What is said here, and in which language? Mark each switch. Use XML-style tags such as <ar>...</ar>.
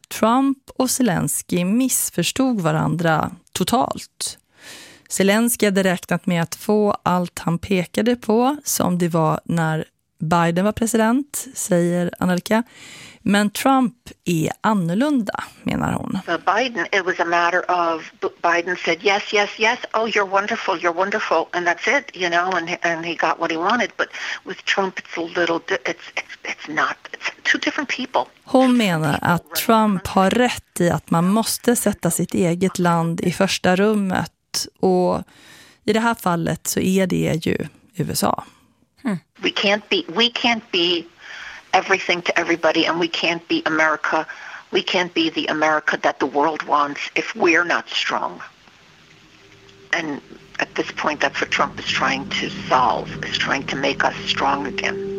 <sv>Trump och Zelensky missförstod varandra totalt. Zelensky hade räknat med att få allt han pekade på, som det var när Biden var president, säger Anelka. Men Trump är annorlunda, menar hon.</sv> <en>Biden, it was a matter of Biden said yes, yes, yes. Oh, you're wonderful, and that's it, you know. And he got what he wanted. But with Trump, it's two different people.</en> <sv>Hon menar att Trump har rätt i att man måste sätta sitt eget land i första rummet, och i det här fallet så är det ju USA. Hmm.</sv> <en>We can't be everything to everybody, and we can't be America. We can't be the America that the world wants if we're not strong. And at this point, that's what Trump is trying to solve, is trying to make us strong again.</en>